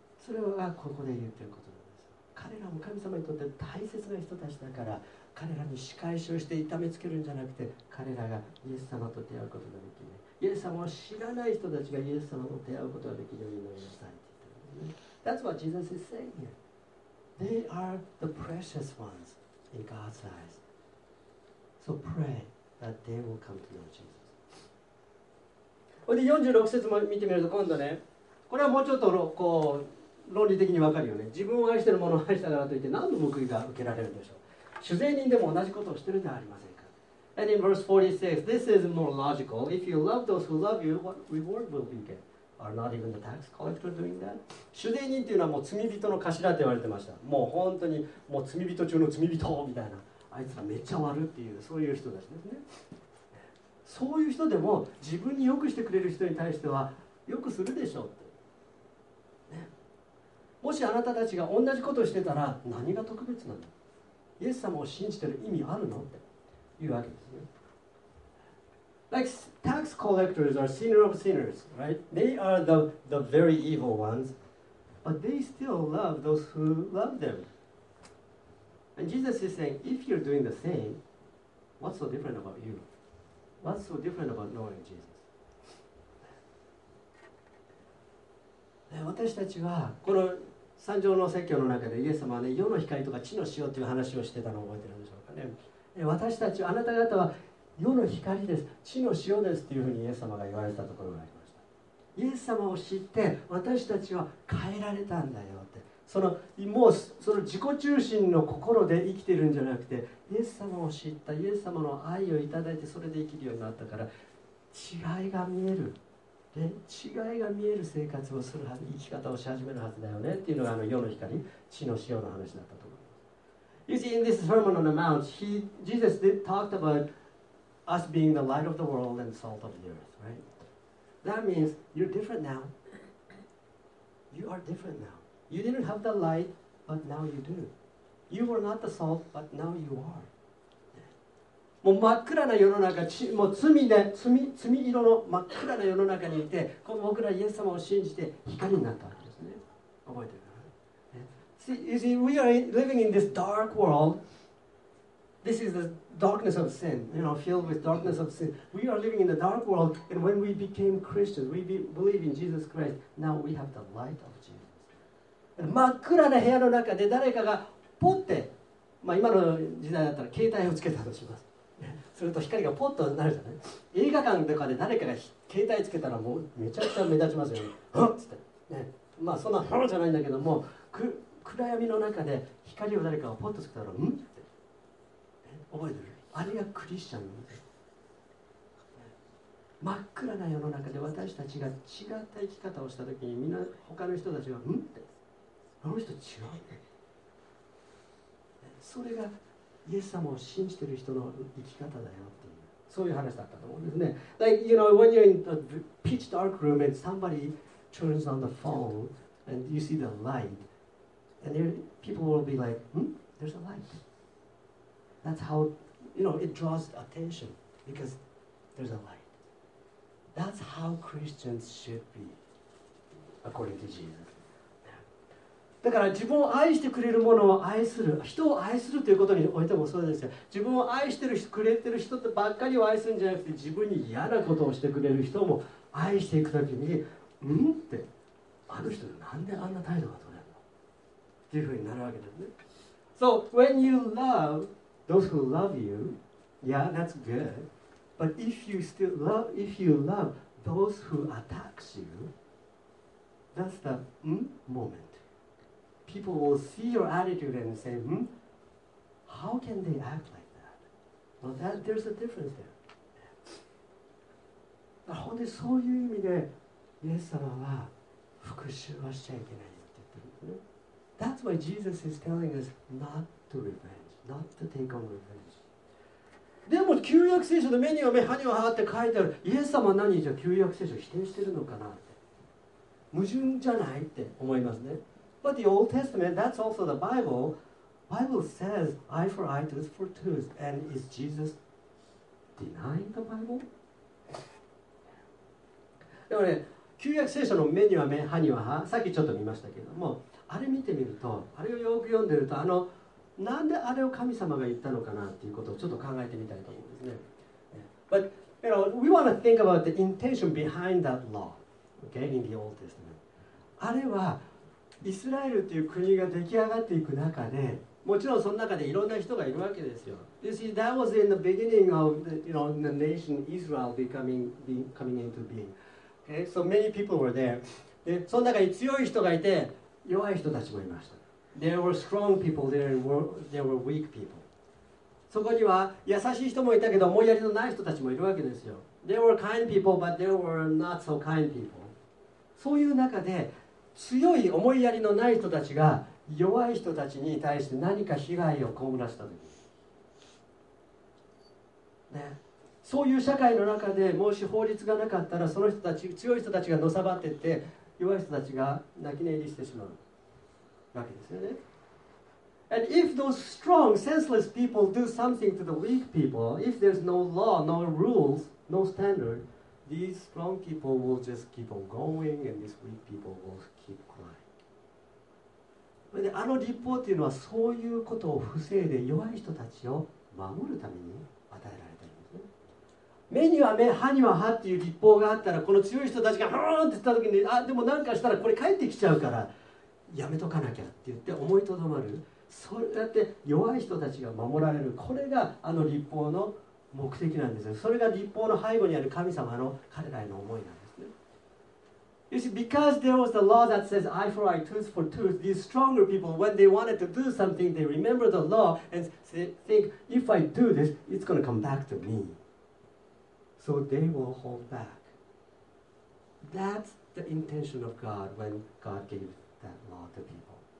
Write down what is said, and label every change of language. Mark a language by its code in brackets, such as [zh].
[ja] それはここで言ってることなんです。彼らも神様にとって大切な人たちだから、彼らに仕返しをして痛めつけるんじゃなくて、彼らがイエス様と出会うことができる。イエス様を知らない人たちがイエス様と出会うことができるようになりなさいって言ってる、ね。 [en] That's what Jesus is saying here. They are the precious ones in God's eyes. So pray that they will come to know Jesus. [ja] で46節も見てみると、今度ね、これはもうちょっとこう論理的にわかるよね。自分を愛してるものを愛したからといって何の報いが受けられるんでしょう。主税人でも同じことをしてるではありませんか。 [en] And in verse 46, this is more logical. If you love those who love you, what reward will you get? Are not even the tax collector doing that? [ja] 主税人っていうのはもう罪人の頭って言われてました。もう本当にもう罪人中の罪人みたいな。あいつらめっちゃ悪っていう、そういう人たちですね。そういう人でも自分に良くしてくれる人に対しては良くするでしょうって、ね。もしあなたたちが同じことをしてたら何が特別なの？イエス様を信じてる意味あるのって言うわけですね。 [en] Like tax collectors are sinner of sinners, right? They are the very evil ones, but they still love those who love them. And Jesus is saying, if you're doing the same, what's so different about you? What's so different about knowing Jesus? [ja] 私たちはこの三条の説教の中でイエス様はね、世の光とか地の塩という話をしてたのを覚えてるんでしょうかね。私たち、あなた方は世の光です、地の塩ですというふうにイエス様が言われたところがありました。イエス様を知って私たちは変えられたんだよって。そのもうその自己中心の心で生きてるんじゃなくて、イエス様を知った、イエス様の愛をいただいてそれで生きるようになったから、違いが見える。で違いが見える生活をするはず、生き方をし始めるはずだよねっていうのがあの世の光、地の塩の話だったと思います。 [en] You see, in this Sermon on the Mount, Jesus did talk about us being the light of the world and salt of the earth, right? That means you're different now. You are different now. You didn't have the light, but now you do. You were not the salt, but now you are. [ja] もう真っ暗な世の中、もう罪で、罪色の真っ暗な世の中にいて、この僕らイエス様を信じて光になったわけですね。覚えてるかな、ね、 [en] See, you see, we are living in this dark world. This is the darkness of sin, you know, filled with darkness of sin. We are living in the dark world, and when we became Christians, we believe in Jesus Christ, now we have the light of Jesus. [ja] 真っ暗な部屋の中で誰かがポッて、まあ今の時代だったら携帯をつけたとします。すると光がポッとなるじゃない。映画館とかで誰かが携帯つけたらもうめちゃくちゃ目立ちますよね。っつって、ね、まあそんなハロじゃないんだけども、暗闇の中で光を誰かがポッとつけたらんって、ね、覚えてる。あれがクリスチャン。真っ暗な世の中で私たちが違った生き方をしたときに、みんな他の人たちはうんって、あの人違うね。それがイエス様を信じている人の生き方だよっていう、そういう話だったと思うんですね。 [en] Like, you know, when you're in a pitch dark room and somebody turns on the phone and you see the light, and there, people will be like, hmm? There's a light. That's how, you know, it draws attention because there's a light. That's how Christians should be, according to Jesus. [ja] だから自分を愛してくれるものを愛する、人を愛するということにおいてもそうですよ。自分を愛してる、くれてる人ってばっかりを愛するんじゃなくて、自分に嫌なことをしてくれる人も愛していくときに、うんって、あの人なんであんな態度が取れるのっていうふうになるわけですね。 [en] So when you love those who love you, yeah, that's good. But if you still love, if you love those who attacks you, that's the moment. People will see your attitude and say, hmm? How can they act like that? Well, that, there's a difference there. [ja] 本当にそういう意味で、イエス様は復讐はしちゃいけないって言ってるんですね。 [en] That's why Jesus is telling us not to revenge, not to take on revenge. [ja] でも旧約聖書の目には目、歯には歯って書いてある。イエス様は何じゃ旧約聖書否定してるのかなって。矛盾じゃないって思いますね。 [en] But the Old Testament, that's also the Bible. Bible says eye for eye, tooth for tooth. And is Jesus denying the Bible? [ja] でもね、旧約聖書の目には目、歯には歯、さっきちょっと見ましたけども、あれ見てみると、あれをよく読んでると、なんであれを神様が言ったのかなっていうことをちょっと考えてみたいと思うんですね。 [en] But, you know, we want to think about the intention behind that law, okay, in the Old Testament. [ja] あれは、イスラエルという国が出来上がっていく中で、もちろんその中でいろんな人がいるわけですよ。 [en] You see, that was in the beginning of the, you know, the nation Israel coming into being. Okay, so many people were there. [ja] で、その中に強い人がいて、弱い人たちもいました。 [en] There were strong people there and there were weak people. [ja] そこには優しい人もいたけど、思いやりのない人たちもいるわけですよ。 [en] There were kind people, but there were not so kind people. [ja] そういう中で、強い思いやりのない人たちが弱い人たちに対して何か被害を被らせたとき、ね、そういう社会の中でもし法律がなかったら、その人たち、強い人たちがのさばっていって、弱い人たちが泣き寝入りしてしまうわけですよね。 [en] And if those strong, senseless people do something to the weak people, if there's no law, no rules, no standard,These strong people will just keep on going and these weak people will keep crying. [ja] で、あの立法というのはそういうことを防いで弱い人たちを守るために与えられているんですね。目には目、歯には歯っていう立法があったら、この強い人たちがハーンって言った時に、あ、でも何かしたらこれ返ってきちゃうからやめとかなきゃって言って思いとどまる。そうやって弱い人たちが守られる。これがあの立法の目的なんですよ。それが立法の背後にある神様の彼らへの思いなんですね。 [en] You see, because there was the law that says eye for eye, tooth for tooth, these stronger people, when they wanted to do something, they remember the law and think, if I do this, it's going to come back to me. So they will hold back. That's the intention of God when God gave that law to people.